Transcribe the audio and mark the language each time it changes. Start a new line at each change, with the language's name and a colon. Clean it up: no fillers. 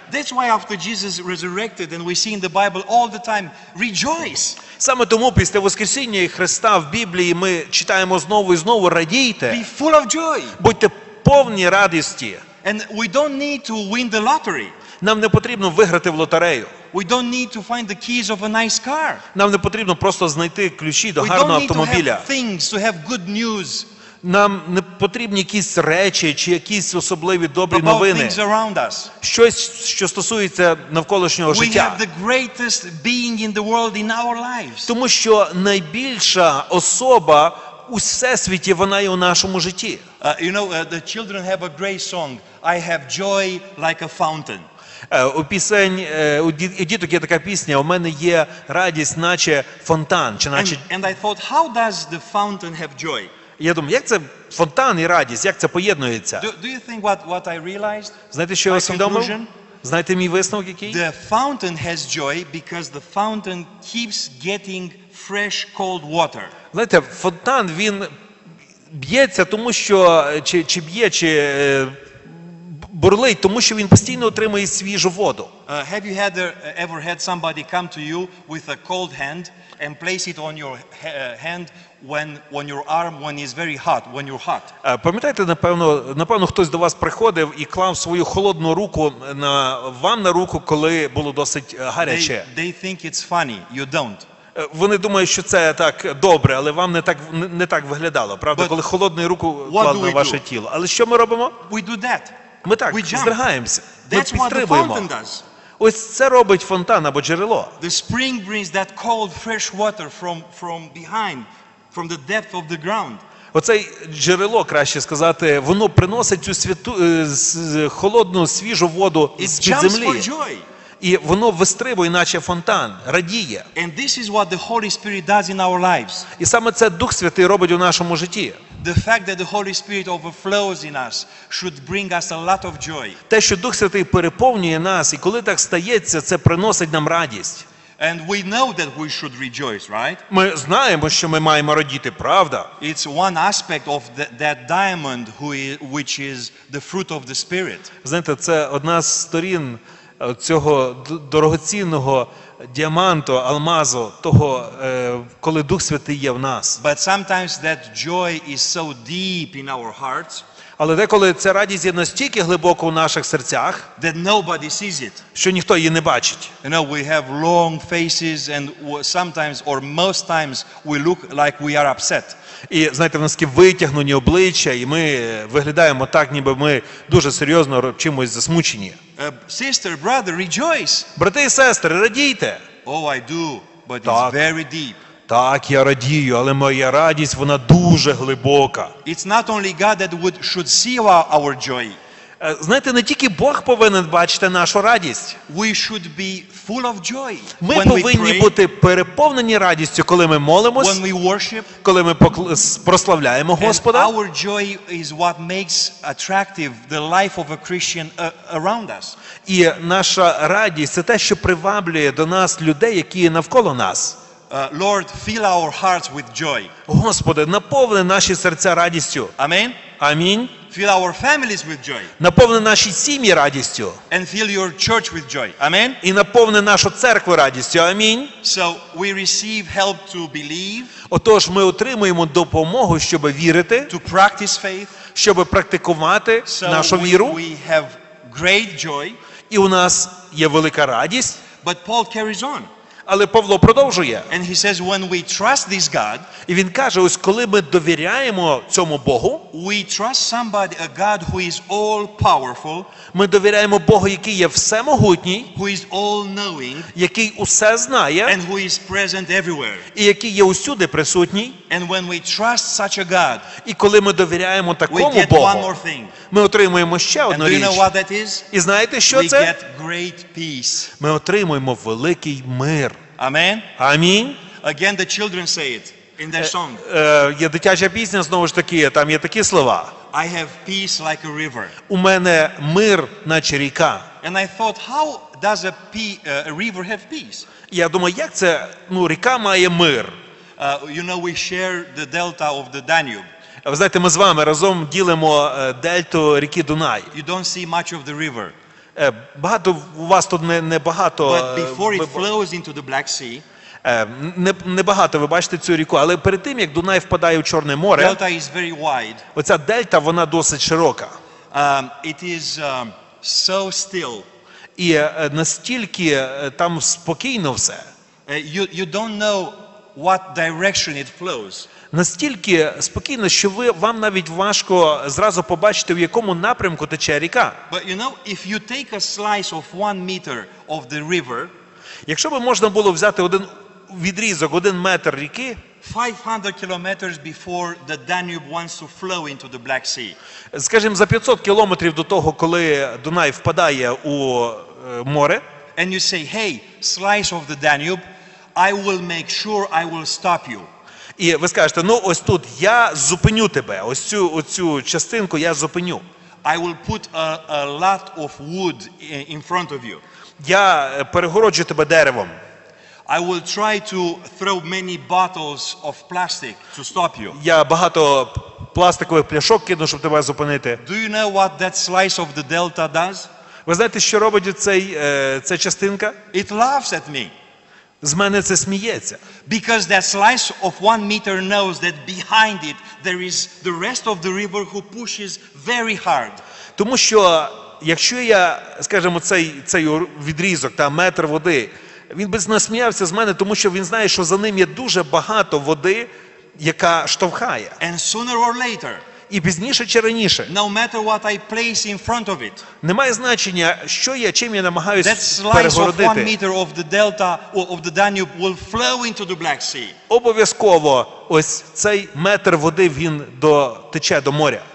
English: That's why after Jesus resurrected and we see in the Bible all the time, rejoice.
Ukrainian: Саме тому після воскресіння Христа в Біблії ми читаємо знову і знову, радійте.
English: Be full of joy.
Ukrainian: Будьте повні радості.
English: And we don't need to win the lottery.
Ukrainian: Нам не потрібно виграти в лотерею.
English: We don't need to find the keys of a nice car.
Ukrainian: Нам не потрібно просто знайти ключі до гарного автомобіля.
English: We don't need to have things, to have good news.
Ukrainian: Нам не потрібні якісь речі чи якісь особливі добрі новини.
English: About things around us.
Ukrainian: Щось, що стосується навколишнього життя.
English: We have the greatest being in the world in our lives.
Ukrainian: Тому що найбільша особа у всесвіті, вона є у нашому житті.
English: You know, the children have a great song. I have joy like a fountain.
Ukrainian: У пісень, у діток є така пісня, у мене є радість, наче фонтан.
English: And I thought, how does the fountain have joy?
Ukrainian: Я думаю, як це фонтан і радість, як це поєднується?
English: Do you think what I realized?
Ukrainian: Знаєте, що я усвідомив? Знаєте, мій висновок який?
English: The fountain has joy because the fountain keeps getting fresh cold water.
Ukrainian: Знаєте, фонтан, він б'ється, тому що, чи б'є, чи бурлить, тому що він постійно отримує свіжу воду.
English: Have you ever had somebody come to you with a cold hand and place it on your hand when your arm, when it's very hot, when you're hot?
Ukrainian: Пам'ятаєте, напевно, хтось до вас приходив і клав свою холодну руку на вам на руку, коли було досить гаряче.
English: They think it's funny, you don't.
Ukrainian: Вони думають, що це так добре, але вам не так виглядало, правда,
English: but
Ukrainian: коли холодну руку клали на ваше тіло. Але що ми робимо?
English: We do that.
Ukrainian: Ми так, здригаємося, ми підтримуємо.
English: That's what the fountain does.
Ukrainian: Ось це робить фонтан або джерело.
English: The spring brings that cold fresh water from behind, from the depth of the ground.
Ukrainian: Оце джерело, краще сказати, воно приносить цю холодну, свіжу воду з-під землі.
English: It jumps for joy.
Ukrainian: І воно вистрибує, наче фонтан, радіє.
English: And this is what the Holy Spirit does in our lives.
Ukrainian: І саме це Дух Святий робить у нашому житті.
English: The fact that the Holy Spirit overflows in us should bring us a lot of joy.
Ukrainian: Те, що Дух Святий переповнює нас, і коли так стається, це приносить нам радість.
English: And we know that we should rejoice, right?
Ukrainian: Ми знаємо, що ми маємо радіти, правда?
English: It's one aspect of that diamond which is the fruit of the Spirit.
Ukrainian: Знаєте, це одна з сторін цього дорогоцінного діаманту, алмазу, того, коли Дух Святий є в нас.
English: But sometimes that joy is so deep in our hearts.
Ukrainian: Але деколи ця радість є настільки глибоко у наших серцях,
English: that nobody sees it.
Ukrainian: Що ніхто її не бачить.
English: You know, we have long faces and sometimes or most times we look like we are upset.
Ukrainian: І знаєте, в нас такі витягнені обличчя, і ми виглядаємо так, ніби ми дуже серйозно чимось засмучені.
English: Sister, brother, rejoice.
Ukrainian: Брати і сестри, радійте.
English: Oh, I do, but так. It's very deep.
Ukrainian: Так, я радію, але моя радість, вона дуже глибока.
English: It's not only God that should see our joy.
Ukrainian: Знаєте, не тільки Бог повинен бачити нашу радість.
English: We should be full of joy.
Ukrainian: Ми повинні бути переповнені радістю, коли ми молимось.
English: When we worship.
Ukrainian: Коли ми прославляємо Господа.
English: And our joy is what makes attractive the life of a Christian around us.
Ukrainian: І наша радість це те, що приваблює до нас людей, які є навколо нас.
English: Lord, fill our hearts with joy.
Ukrainian: Господи, наповни наші серця радістю.
English: Amen.
Ukrainian: Амінь.
English: Fill our families with joy.
Ukrainian: Наповни наші сім'ї радістю.
English: And fill your church with joy. Amen.
Ukrainian: І наповни нашу церкву радістю. Амінь.
English: So we receive help to believe.
Ukrainian: Отож, ми отримуємо допомогу, щоб вірити.
English: To practice faith.
Ukrainian: Щоб практикувати нашу віру.
English: We have great joy.
Ukrainian: І у нас є велика радість.
English: But Paul carries on.
Ukrainian: Але Павло продовжує.
English: And he says, when we trust this God,
Ukrainian: і він каже, ось коли ми довіряємо цьому Богу,
English: we trust somebody, a God who is all powerful,
Ukrainian: ми довіряємо Богу, який є всемогутній,
English: who is all knowing,
Ukrainian: який усе знає,
English: and who is present everywhere,
Ukrainian: і який є усюди присутній,
English: and when we trust such a God,
Ukrainian: і коли ми довіряємо такому Богу,
English: one more thing,
Ukrainian: ми отримуємо ще одну
English: and
Ukrainian: річ.
English: Do you know what that is?
Ukrainian: І знаєте, що
English: we
Ukrainian: це?
English: Get great peace.
Ukrainian: Ми отримуємо великий мир.
English: Amen.
Ukrainian: Амін.
English: Again the children say it in their song.
Ukrainian: Є дитяча пісня, знову ж таки, там є такі слова.
English: I have peace like a river.
Ukrainian: У мене мир, наче ріка.
English: And I thought, how does a river have peace?
Ukrainian: Я думаю, як це, ну, ріка має мир.
English: You know, we share the delta of the Danube.
Ukrainian: Ви знаєте, ми з вами разом ділимо дельту ріки Дунай.
English: You don't see much of the river.
Ukrainian: Багато у вас тут не багато.
English: But before it flows into the Black Sea,
Ukrainian: не багато ви бачите цю ріку, але перед тим як Дунай впадає в Чорне море,
English: Delta is very wide.
Ukrainian: Оця дельта, вона досить широка.
English: It is so still.
Ukrainian: І настільки там спокійно все.
English: You don't know what direction it flows.
Ukrainian: Настільки спокійно, що вам навіть важко зразу побачити, в якому напрямку тече ріка.
English: But you know, if you take a slice of 1 meter of the river,
Ukrainian: якщо б можна було взяти один відрізок, 1 метр ріки,
English: 500 kilometers before the Danube wants to flow into the Black Sea.
Ukrainian: Скажімо, за 500 кілометрів до того, коли Дунай впадає у море,
English: and you say, hey, slice of the Danube, I will make sure I will stop you.
Ukrainian: І ви скажете, ну ось тут я зупиню тебе, ось цю частинку я зупиню.
English: I will put a lot of wood in front of you.
Ukrainian: Я перегороджу тебе деревом.
English: I will try to throw many bottles of plastic to stop you.
Ukrainian: Я багато пластикових пляшок кину, щоб тебе зупинити.
English: Do you know what that slice of the delta does?
Ukrainian: Ви знаєте, що робить ця частинка?
English: It laughs at me.
Ukrainian: З мене це сміється.
English: Because that slice of 1 meter knows that behind it there is the rest of the river who pushes very hard.
Ukrainian: Тому що якщо я, скажімо, цей відрізок, там метр води, він би насміявся з мене, тому що він знає, що за ним є дуже багато води, яка штовхає.
English: And sooner or later.
Ukrainian: І пізніше чи раніше.
English: No matter what I place in front of it.
Ukrainian: Немає значення, що я, чим я намагаюся перегородити.
English: That slice of 1 meter of the delta of the Danube will flow into the Black Sea.
Ukrainian: Обов'язково ось цей метр води він дотече до моря.